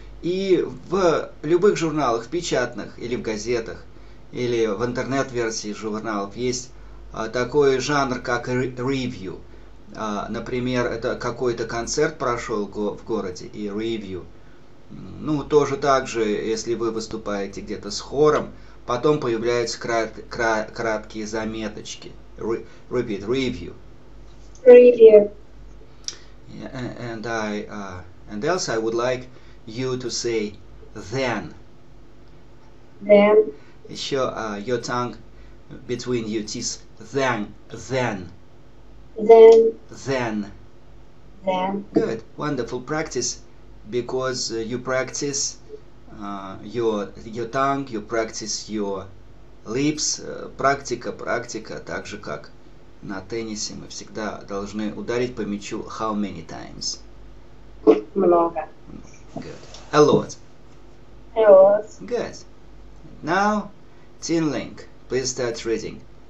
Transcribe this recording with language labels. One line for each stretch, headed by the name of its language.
Russian: И в любых журналах, печатных, или в газетах, или в интернет-версии журналов есть такой жанр, как review. Например, это какой-то концерт прошел в городе, и review. Ну, тоже так же, если вы выступаете где-то с хором, потом появляются краткие заметочки.
English: Repeat, review. Review. Yeah, and else I would like you to say then. Then. Еще your tongue between your teeth. Then. Then. Then. Then. Then. Good. Wonderful practice, because you practice your tongue, you practice your lips.
Russian: Практика, так же как на теннисе мы всегда должны ударить по мячу
English: how many times?
Russian: Много.
English: Good. A lot. A lot. Good. Now, Tinlink, please start reading.